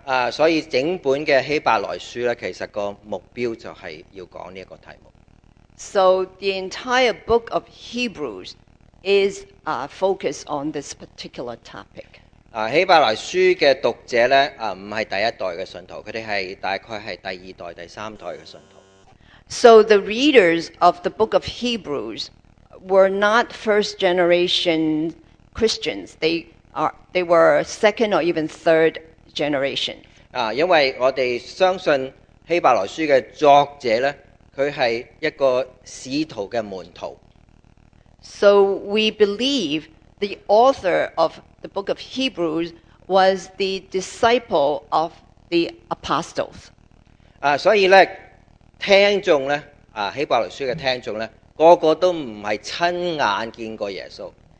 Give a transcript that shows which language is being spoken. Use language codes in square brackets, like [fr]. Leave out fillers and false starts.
[zh] 所以整本的希伯来书呢，其实个目标就是要讲这个题目。 [en] So the entire book of Hebrews is focused on this particular topic. [zh] 希伯来书的读者呢，不是第一代的信徒，他们是大概是第二代、第三代的信徒。 [en] So the readers of the book of Hebrews were not first generation Christians. They were second or even third generation. [zh] 因为我们相信希伯来书的作者呢，他是一个使徒的门徒。 [en] So we believe the author of the book of Hebrews was the disciple of the apostles. [zh] 所以呢听众呢希伯来书的听众呢个个都不是亲眼见过耶稣。